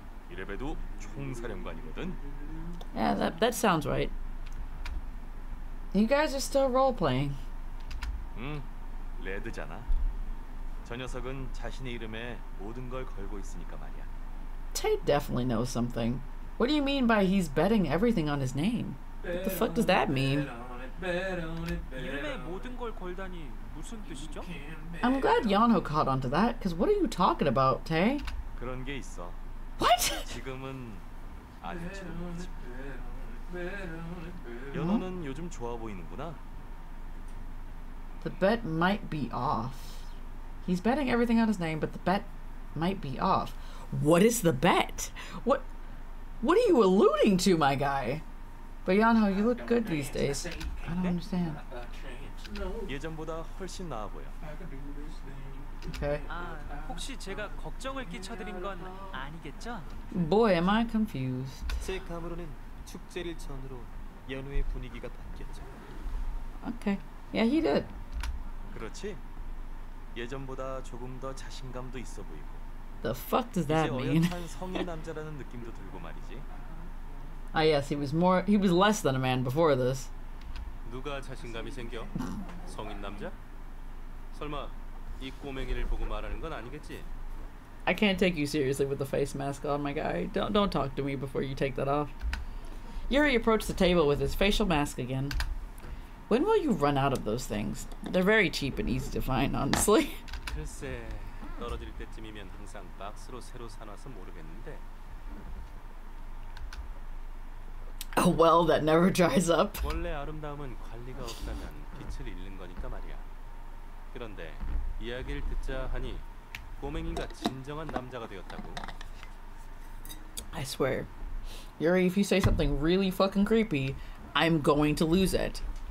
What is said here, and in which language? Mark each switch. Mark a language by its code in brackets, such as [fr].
[ko] 이래봬도 총사령관이거든. [en] Yeah, that sounds right. You guys are still role-playing. [ko] 응, 레드잖아. 저 녀석은 자신의 이름에 모든 걸 걸고 있으니까 말이야. [en] Tay definitely knows something. What do you mean by he's betting everything on his name? What the fuck does that mean? [ko] 이름에 모든 걸 걸다니 무슨 뜻이죠? [en] I'm glad Yeonho caught onto that, because what are you talking about, Tay? [ko] 그런 게 있어. [en] What? [ko] 지금은 아니지. 연호는 요즘 좋아 보이는구나. [en] The bet might be off. He's betting everything on his name, but the bet might be off. What is the bet? What are you alluding to, my guy? But Yeonho, you look good these days. I don't understand. [ko] 예전보다 훨씬 나아 보여. [en] Okay. [ko] 아, 혹시 제가 걱정을 끼쳐드린 건 아니겠죠? [en] Boy, am I confused. [ko] 제 감으로는 축제를 전으로 연우의 분위기가 바뀌었죠. [en] Okay. Yeah, he did. [ko] 그렇지. 예전보다 조금 더 자신감도 있어 보이고. [en] The fuck does that mean? [ko] 이제 어엿한 성인 남자라는 느낌도 들고 말이지. [en] Ah, yes, he was less than a man before this. [ko] 누가 자신감이 생겨? 성인 남자? 설마 이 꼬맹이를 보고 말하는 건 아니겠지? [en] I can't take you seriously with the face mask on, my guy. Don't talk to me before you take that off. Yuri approached the table with his facial mask again. When will you run out of those things? They're very cheap and easy to find, honestly. [ko] 글쎄, 떨어질 때쯤이면 항상 박스로 새로 사놔서 모르겠는데. [en] a well that never dries up. [ko] 원래 아름다움은 관리가 없다면 빛을 잃는 거니까 말이야. 그런데 이야기를 듣자 하니 꼬맹이가 진정한 남자가 되었다고. [en] I swear, Yuri, if you say something really fucking creepy, I'm going to lose it.